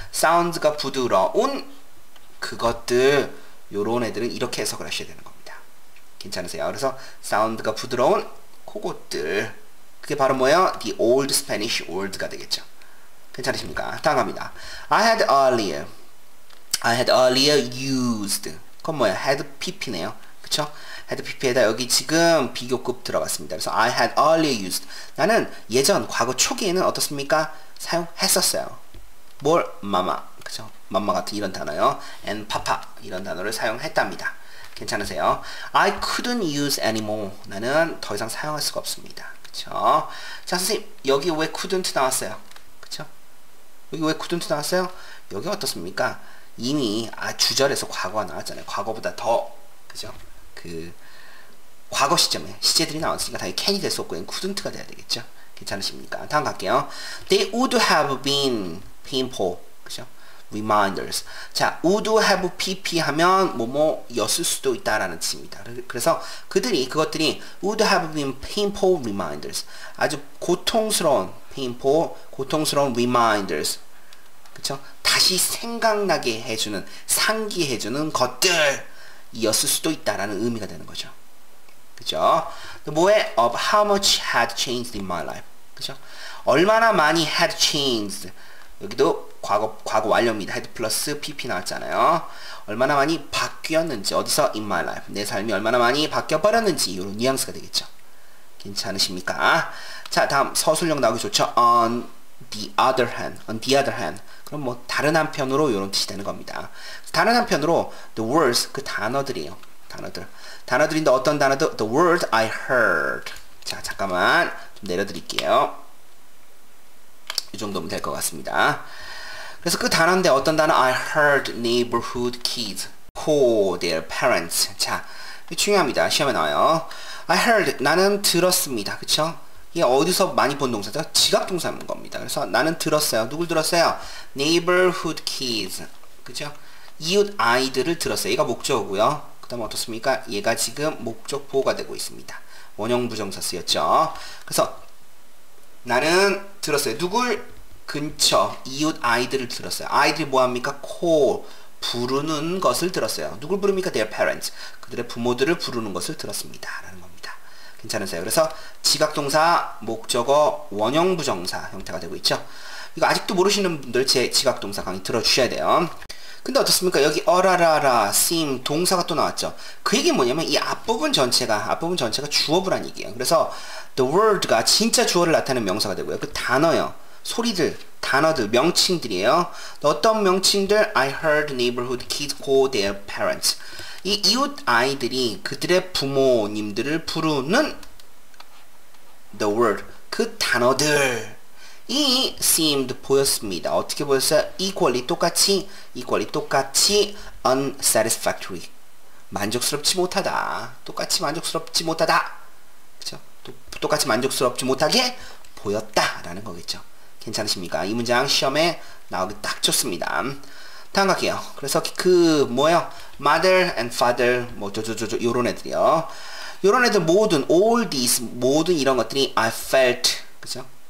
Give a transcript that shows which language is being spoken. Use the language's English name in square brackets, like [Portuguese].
[Korean] Sounds가 부드러운 그것들. 요런 애들은 이렇게 해석을 하셔야 되는 겁니다. 괜찮으세요? 그래서 sound가 부드러운 그것들. 그게 바로 뭐예요? [English] The old Spanish word가 되겠죠. [Korean] 괜찮으십니까? 다음 갑니다. [English] I had earlier used. [Korean] 그건 뭐예요? Had PP네요. 그쵸? had pp에다 여기 지금 비교급 들어갔습니다. 그래서 [English] I had earlier used. [Korean] 나는 예전 과거 초기에는 어떻습니까? 사용했었어요. 뭘? 마마. 그쵸? 맘마 같은 이런 단어요. [English] and papa [Korean] 이런 단어를 사용했답니다. 괜찮으세요? [English] I couldn't use anymore. [Korean] 나는 더 이상 사용할 수가 없습니다. 그쵸? 자, 선생님 여기 왜 couldn't 나왔어요? 그쵸? 여기 왜 couldn't 나왔어요? 여기 어떻습니까? 이미 아 주절에서 과거가 나왔잖아요. 과거보다 더 그죠? 그 과거 시점에 시제들이 나왔으니까 당연히 can이 될 수 없고 couldn't가 돼야 되겠죠. 괜찮으십니까? 다음 갈게요. [English] They would have been painful. [Korean] 그죠? [English] Reminders. [Korean] 자, would have pp 하면 뭐뭐였을 수도 있다라는 뜻입니다. 그래서 그들이 그것들이 [English] would have been painful reminders. [Korean] 아주 고통스러운 painful 고통스러운 reminders. 그죠? 다시 생각나게 해주는 상기해주는 것들 이었을 수도 있다라는 의미가 되는 거죠. 그죠? 뭐에? [English] Of how much had changed in my life. [Korean] 그죠? 얼마나 많이 [English] had changed. [Korean] 여기도 과거 완료입니다. had 플러스 pp 나왔잖아요. 얼마나 많이 바뀌었는지. 어디서? [English] in my life. [Korean] 내 삶이 얼마나 많이 바뀌어버렸는지. 이런 뉘앙스가 되겠죠. 괜찮으십니까? 자, 다음 서술형 나오기 좋죠. [English] On the other hand. [Korean] 그럼 뭐 다른 한편으로 이런 뜻이 되는 겁니다. 다른 한편으로 [English] the words [Korean] 그 단어들이에요. 단어들인데 어떤 단어들? [English] The word I heard. [Korean] 자, 잠깐만 좀 내려드릴게요. 이 정도면 될 것 같습니다. 그래서 그 단어인데 어떤 단어? [English] I heard neighborhood kids call their parents. [Korean] 자, 이게 중요합니다. 시험에 나와요. I heard 나는 들었습니다. 그쵸? 이게 어디서 많이 본 동사죠? 지각 동사인 겁니다. 그래서 나는 들었어요. 누굴 들었어요? [English] Neighborhood kids. [Korean] 그죠? 이웃 아이들을 들었어요. 얘가 목적이고요. 그 다음 어떻습니까? 얘가 지금 목적 보호가 되고 있습니다. 원형 부정사 쓰였죠. 그래서 나는 들었어요. 누굴? 근처 이웃 아이들을 들었어요. 아이들이 뭐합니까? call 부르는 것을 들었어요. 누굴 부릅니까? [English] their parents. [Korean] 그들의 부모들을 부르는 것을 들었습니다. 라는 겁니다. 괜찮으세요? 그래서 지각동사, 목적어, 원형 부정사 형태가 되고 있죠. 이거 아직도 모르시는 분들 제 지각동사 강의 들어주셔야 돼요. 근데 어떻습니까? 여기 어라라라, seem, 동사가 또 나왔죠. 그 얘기는 뭐냐면 이 앞부분 전체가 주어부란 얘기예요. 그래서 [English] the word [Korean] 가 진짜 주어를 나타내는 명사가 되고요. 그 단어요. 소리들, 단어들, 명칭들이에요. 어떤 명칭들? [English] I heard neighborhood kids call their parents. [Korean] 이 이웃 아이들이 그들의 부모님들을 부르는 [English] the word, [Korean] 그 단어들. 이 seemed 보였습니다. 어떻게 보였어요? [English] equally [Korean] 똑같이, [English] equally 똑같이 unsatisfactory. [Korean] 만족스럽지 못하다. 똑같이 만족스럽지 못하다. 그쵸? 똑같이 만족스럽지 못하게 보였다. 라는 거겠죠. 괜찮으십니까? 이 문장 시험에 나오기 딱 좋습니다. 다음 갈게요. 그래서 그 뭐예요? [English] mother and father [Korean] 뭐 저 요런 애들이요. 요런 애들 모든 [English] all these [Korean] 모든 이런 것들이 [English] I felt [Korean] 그죠?